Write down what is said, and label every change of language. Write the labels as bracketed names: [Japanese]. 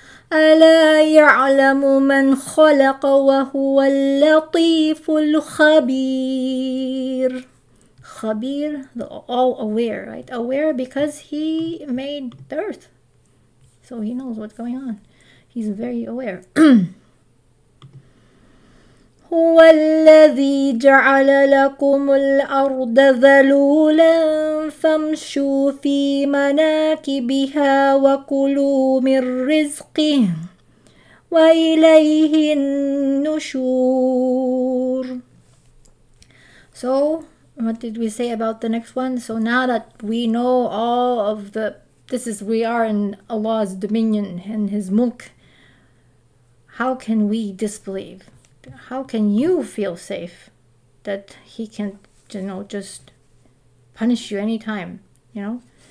[Arabic] Ala ya'lamu man khalaqa wa huwa al-latiful khabir. [English] Khabir, the all aware, right? Aware because he made the earth. So he knows what's going on. He's very aware. [Arabic] هو الذي جعل لكم الأرض ذلولا فامشوا في مناكبها وكلوا من رزقه وإليه النشور. [English] So what did we say about the next one? So now that we know all of the, this is, we are in Allah's dominion and his mulk, how can we disbelieve? How can you feel safe that he can, you know, just punish you anytime, you know?